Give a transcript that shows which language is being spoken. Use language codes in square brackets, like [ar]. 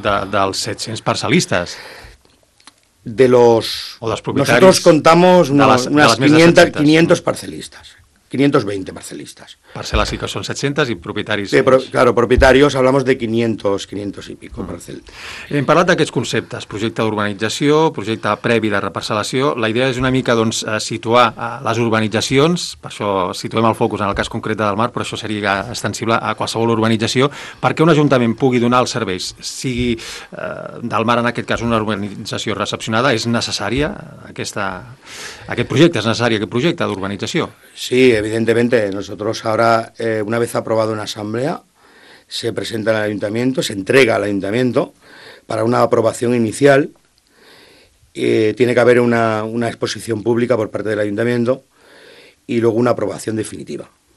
[ca] ¿Dels 700 parcialistas? [es] De los... [ca] ¿O dels propietaris? [es] Nosotros contamos unas 500 parcialistas, 520 parcialistas. Parcelas sí que son 700 y propietarios... Claro, propietarios hablamos de 500 y pico parcelas. [ca] Hem parlat d'aquests conceptes, projecte d'urbanització, projecte previ de reparcel·lació. La idea és una mica, doncs, situar les urbanitzacions, per això situem el focus en el cas concret de Dalmar, però això seria extensible a qualsevol urbanització, perquè un ajuntament pugui donar els serveis, sigui Dalmar en aquest cas una urbanització recepcionada, és necessària aquest projecte, és necessari aquest projecte d'urbanització? [es] Sí, evidentemente, nosotros ahora, una vez aprobado en asamblea, se presenta al ayuntamiento, se entrega al ayuntamiento para una aprobación inicial. Tiene que haber una exposición pública por parte del ayuntamiento y luego una aprobación definitiva.